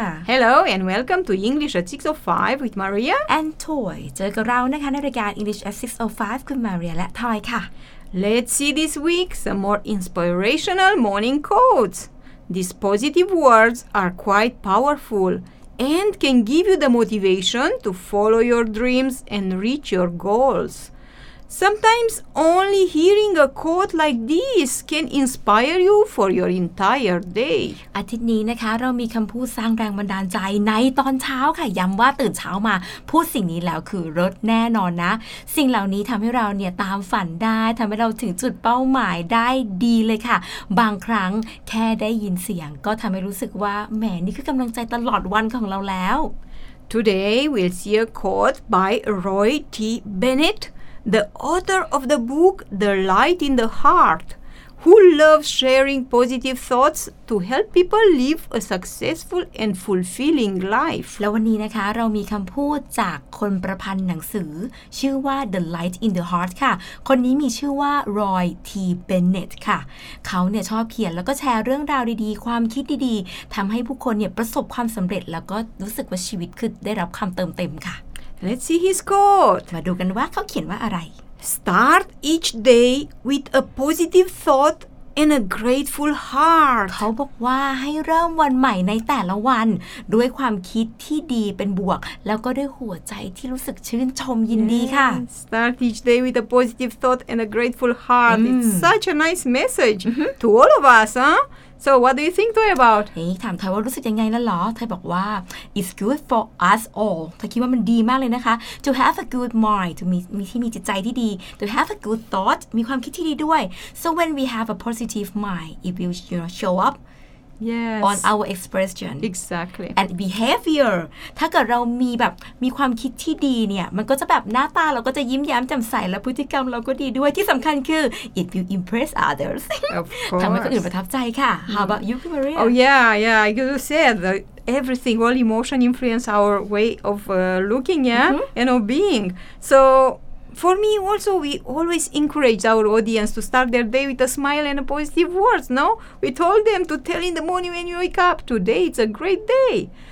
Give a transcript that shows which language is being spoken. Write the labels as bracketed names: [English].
[English] Hello and welcome to English at 6:05 with Maria and Toy [Thai] เจอกับเรานะคะในรายการ English at 6:05 คุณ Maria และ Toy ค่ะ [English] Let's see this week some more inspirational morning quotes. These positive words are quite powerful and can give you the motivation to follow your dreams and reach your goals. Sometimes only hearing a quote like this can inspire you for your entire day. [Thai] อาทิตย์นี้นะคะเรามีคำพูดสร้างแรงบันดาลใจในตอนเช้าค่ะย้ำว่าตื่นเช้ามาพูดสิ่งนี้แล้วคือรถแน่นอนนะสิ่งเหล่านี้ทำให้เราเนี่ยตามฝันได้ทำให้เราถึงจุดเป้าหมายได้ดีเลยค่ะบางครั้งแค่ได้ยินเสียงก็ทำให้รู้สึกว่าแหมนี่คือกำลังใจตลอดวันของเราแล้ว [English] Today we'll see a quote by Roy T. Bennett. The author of the book The Light in the Heart, who loves sharing positive thoughts to help people live a successful and fulfilling life. [Thai] และวันนี้นะคะเรามีคำพูดจากคนประพันธ์หนังสือชื่อว่า The Light in the Heart ค่ะคนนี้มีชื่อว่า Roy T. Bennett ค่ะเขาเนี่ยชอบเขียนแล้วก็แชร์เรื่องราวดีๆความคิดดีๆทำให้ผู้คนเนี่ยประสบความสำเร็จแล้วก็รู้สึกว่าชีวิตคือได้รับคำเติมเต็มค่ะ [English] Let's see his quote. [Thai] มาดูกันว่าเขาเขียนว่าอะไร [English] Start each day with a positive thought and a grateful heart. [Thai] เขาบอกว่าให้เริ่มวันใหม่ในแต่ละวันด้วยความคิดที่ดีเป็นบวกแล้วก็ด้วยหัวใจที่รู้สึกชื่นชมยินดีค่ะ [English] Start each day with a positive thought and a grateful heart. It's such a nice message to all of us, huh? So what do you think Toy about? [Thai] เฮ้ยถามเธอว่ารู้สึกยังไงแล้วหรอเธอบอกว่า [English] it's good for us all [Thai] เธอคิดว่ามันดีมากเลยนะคะ [English] to have a good mind to [Thai] มีที่มีจิตใจที่ดี [English] to have a good thought [Thai] มีความคิดที่ดีด้วย [English] so when we have a positive mind it will you know show up yes on our expression exactly and behavior [Thai] ถ้าเกิดเรามีแบบมีความคิดที่ดีเนี่ยมันก็จะแบบหน้าตาเราก็จะยิ้มแย้มแจ่มใสและพฤติกรรมเราก็ดีด้วยที่สำคัญคือ [English] it will impress others of course [Thai] ทำให้คนอื่นประทับใจค่ะ [English] how about you Maria oh yeah you said that everything all emotion influence our way of looking yeah and of being soFor me also, we always encourage our audience to start their day with a smile and a positive words, no? We told them to tell in the morning when you wake up, today it's a great day.